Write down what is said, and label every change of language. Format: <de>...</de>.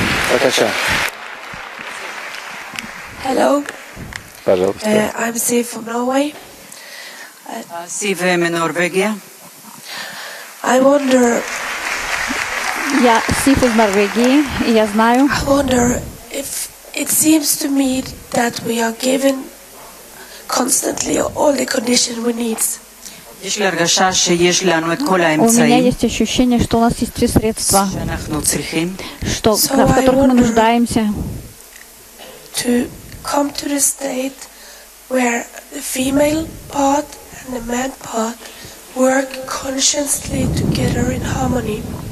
<ru>Пожалуйста.</ru> <en>Hello.</en> <ru>Пожалуйста.</ru> <en>I'm Siv from Norway. Siv from Norway. I wonder.</en> <ru>Я Сиф из Норвегии, и я знаю.</ru> <en>I wonder if it seems to me that we are given constantly all the condition we need.</en> <ru>У меня есть ощущение, что у нас есть все средства, в которых мы нуждаемся.</ru> <en>To come to the state where the female part and the man part work consciously together in harmony.</en>